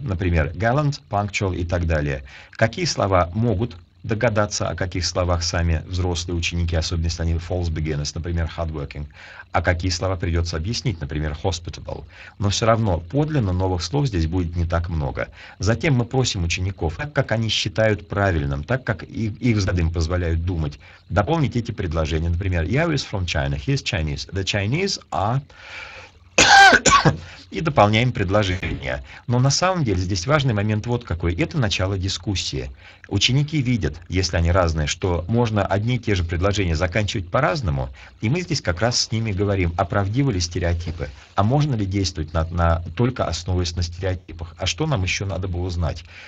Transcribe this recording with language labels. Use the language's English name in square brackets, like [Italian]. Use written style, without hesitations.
[Russian] Например, gallant, punctual и так далее. Какие слова могут догадаться, о каких словах сами взрослые ученики, особенно если они [English] false beginners, [Russian] например, hardworking, а какие слова придется объяснить, например, hospitable. Но все равно подлинно новых слов здесь будет не так много. Затем мы просим учеников, так как они считают правильным, так как их взгляды им позволяют думать, дополнить эти предложения. Например, [English] I was from China, he is Chinese, the Chinese are... [Russian] И дополняем предложение. Но на самом деле здесь важный момент вот какой. Это начало дискуссии. Ученики видят, если они разные, что можно одни и те же предложения заканчивать по-разному. И мы здесь как раз с ними говорим, оправдивы ли стереотипы, а можно ли действовать только основываясь на стереотипах, а что нам еще надо было знать.